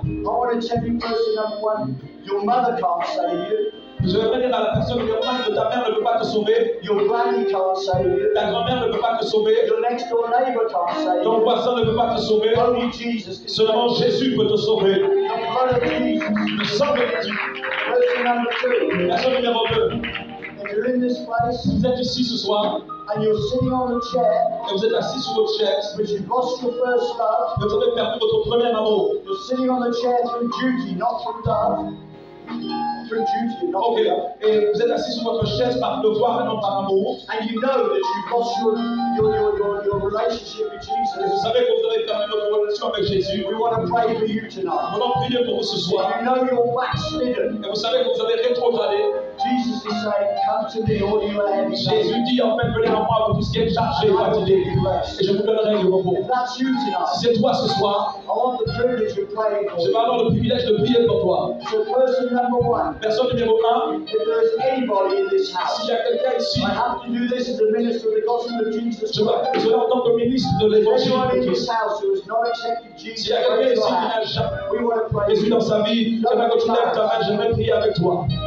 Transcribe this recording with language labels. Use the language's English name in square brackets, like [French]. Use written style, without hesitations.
[English] I want to tell you person number one, your mother can't save you. [French] Je vais revenir à la personne numéro 1 que ta mère ne peut pas te sauver. [English] Your granny can't save you. [French] Ta grand-mère ne peut pas te sauver. [English] Your next door neighbor can't save you. [French] Ton voisin ne peut pas te sauver. [English] Only Jesus. [French] Seulement Jésus peut te sauver. [English] The blood of Jesus. [French] Le sang de Jésus. [English] Person number 2. [French] Personne numéro 2. [English] If you're in this place, [French] si vous êtes ici ce soir, [English] and you're sitting on the chair, [French] et vous êtes assis sur votre chaise, [English] but you've lost your first love, [French] vous avez perdu votre premier amour. [English] You're sitting on the chair through duty, not from love. [French] Ok, et vous êtes assis sur votre chaise par devoir et non par amour. [English] And you know that you've lost your relationship with Jesus. [French] Et vous savez que vous avez perdu votre relation avec Jésus. [English] We want to pray for you tonight. [French] Nous allons prier pour vous ce soir. [English] And you know you're backslidden. [French] Et vous savez que vous avez rétrogradé. [English] Jesus is saying, come to me, all you are heavy. [French] Jésus dit en fait, venez à moi, vous tous qui êtes chargés, fatigués, et je vous donnerai du repos. [English] If that's you tonight, [French] si c'est toi ce soir, [English] I want the privilege of praying for you. [French] Je vais avoir le privilège de prier pour toi. [English] So person number one. [French] Personne numéro un. [English] If there's anybody in this house, [French] si il y a quelqu'un ici, [English] I have to do this as a minister of the gospel of Jesus. [French] Je vais en tant que ministre de l'évangile. [English] Anyone in this house who has not accepted Jesus, [French] si il y a quelqu'un ici qui n'a jamais Jésus dans sa vie, j'aimerais que tu lèves ta main, j'aimerais prier avec toi.